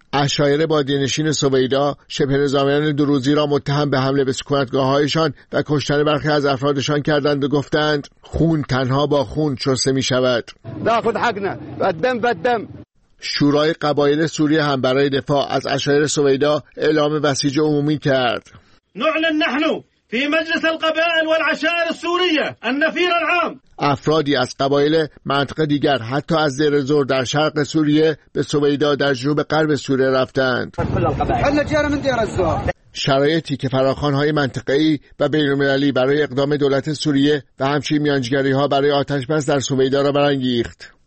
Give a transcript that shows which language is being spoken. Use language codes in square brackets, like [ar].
[fa] عشایر بادی‌نشین سویدا شبه نظامیان دروزی را متهم به حمله به سکونتگاه‌هایشان و کشتن برخی از افرادشان کردند و گفتند خون تنها با خون شسته می شود. [ar] ناخذ حقنا بدم بدم. [fa] شورای قبایل سوریه هم برای دفاع از عشایر سویدا اعلام بسیج عمومی کرد. [ar] نعلن نحن في مجلس القبائل والعشائر السوريه النفير العام. [fa] افرادی از قبایل منطقه دیگر حتی از زیر زور در شرق سوریه به سویدا در جنوب غرب سوریه رفتند. شرایطی که فراخوان‌های منطقه‌ای و بین‌المللی برای اقدام دولت سوریه و همچنین میانجیگری‌ها برای آتش بس در سویدا را برانگیخت.